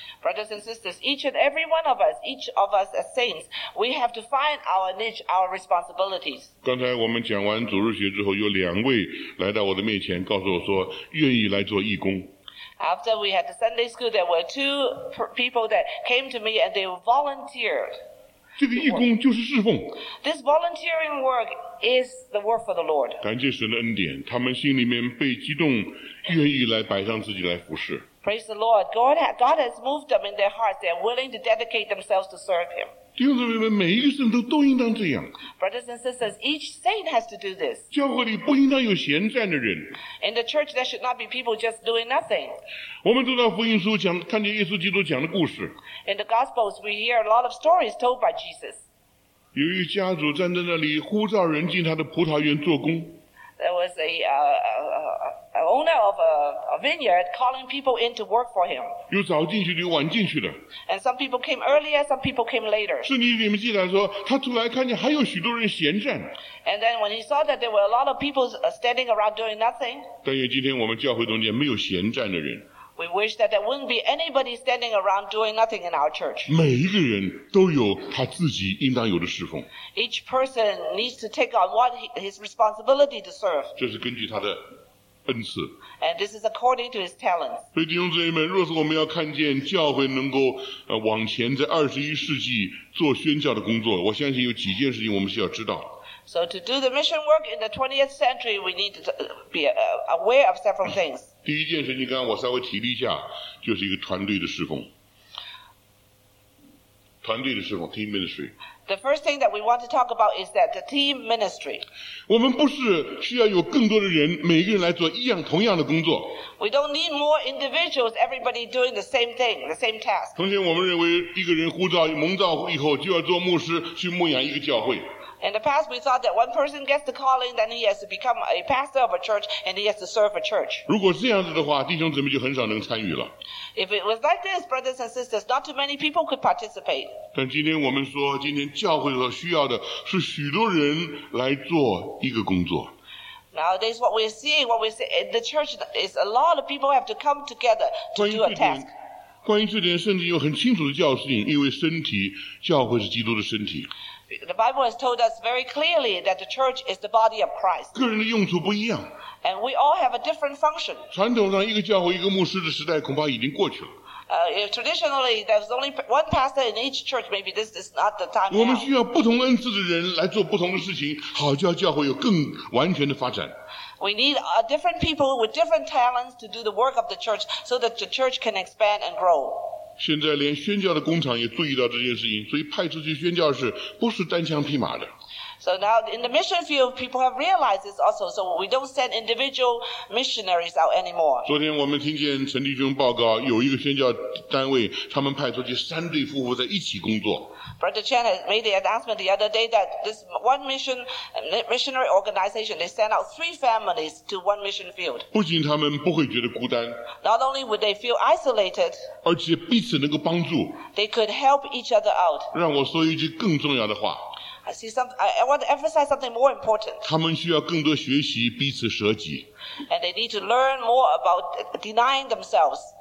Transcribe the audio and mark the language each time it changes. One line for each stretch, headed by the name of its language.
English: Brothers and sisters, each and every one of us, each of us as saints, we have to find our niche, our responsibilities.
Chinese: 刚才我们讲完主日学之后，有两位来到我的面前，告诉我说愿意来做义工。
English: After we had the Sunday school, there were two people that came to me and they volunteered.
Chinese: 这个义工就是侍奉。
English: This volunteering work is the work for the Lord.
Chinese: 感谢神的恩典，他们心里面被激动，愿意来摆上自己来服侍。
English: Praise the Lord. God has moved them in their hearts. They are willing to dedicate themselves to serve Him.
Chinese: 弟兄姊妹们，每一个圣徒都应当这样。
English: Brothers and sisters, each saint has to do this.
Chinese: 教会里不应当有闲站的人。
English: In the church, there should not be people just doing nothing.
Chinese: 我们读到福音书讲，看见耶稣基督讲的故事。
English: In the Gospels, we hear a lot of stories told by Jesus.
Chinese: 有一个家主站在那里，呼召人进他的葡萄园做工。
English: There was a owner of a vineyard calling people in to work for him.
Chinese: 有早进去的，有晚进去的。
English: And some people came earlier, some people came later.
Chinese: 圣经里面记载说，他出来看见还有许多人闲站。
English: And then when he saw that there were a lot of people standing around doing nothing.
Chinese: 但愿今天我们教会中间没有闲站的人。
English: We wish that there wouldn't be anybody standing around doing nothing in our church.
Chinese: 每一个人都有他自己应当有的侍奉。
English: Each person needs to take on what his responsibility to serve.
Chinese: 这是根据他的恩赐。
English: And this is according to his talents.
Chinese: 所以弟兄姊妹们，若是我们要看见教会能够往前在二十一世纪做宣教的工作，我相信有几件事情我们需要知道。
English: So to do the mission work in the 20th century, we need to be aware of several things.
Chinese: 第一件事情，刚刚我稍微提了一下，就是一个团队的侍奉。团队的侍奉 ,
English: team ministry. The first thing that we want to talk about is that the team ministry.
Chinese: 我们不是需要有更多的人，每个人来做一样同样的工作。
English: We don't need more individuals, everybody doing the same thing, the same task.
Chinese: 从前我们认为一个人呼召蒙召以后就要做牧师去牧养一个教会。
English: In the past, we thought that one person gets the calling, then he has to become a pastor of a church, and he has to serve a church.
Chinese: 如果这样子的话，弟兄姊妹就很少能参与了。
English: If it was like this, brothers and sisters, not too many people could participate.
Chinese: 但今天我们说，今天教会所需要的是许多人来做一个工作。
English: Nowadays, what we see in the church is a lot of people have to come together to do a task.
Chinese: 关于这点，圣经有很清楚的教训，因为身体，教会是基督的身体。
English: The Bible has told us very clearly that the church is the body of Christ.
Chinese: 个人的用处不一样。
English: And we all have a different function.
Chinese: 传统上一个教会一个牧师的时代恐怕已经过去了。
English: Traditionally, there's only one pastor in each church. Maybe this is not the time.
Chinese: 我们需要不同恩赐的人来做不同的事情，好叫教会有更完全的发展。
English: We need different people with different talents to do the work of the church so that the church can expand and grow.
Chinese: 现在连宣教的工厂也注意到这件事情，所以派出去宣教士不是单枪匹马的。
English: So now in the mission field, people have realized this also. So we don't send individual missionaries out anymore.
Chinese: 昨天我们听见陈弟兄报告，有一个宣教单位，他们派出去三对夫妇在一起工作。
English: Brother Chen has made the announcement the other day that this one mission missionary organization, they send out three families to one mission field.
Chinese: 不仅他们不会觉得孤单。
English: Not only would they feel isolated.
Chinese: 而且彼此能够帮助。
English: They could help each other out.
Chinese: 让我说一句更重要的话。
English: I want to emphasize something more important.
Chinese: 他们需要更多学习彼此舍己。
English: And they need to learn more about denying themselves.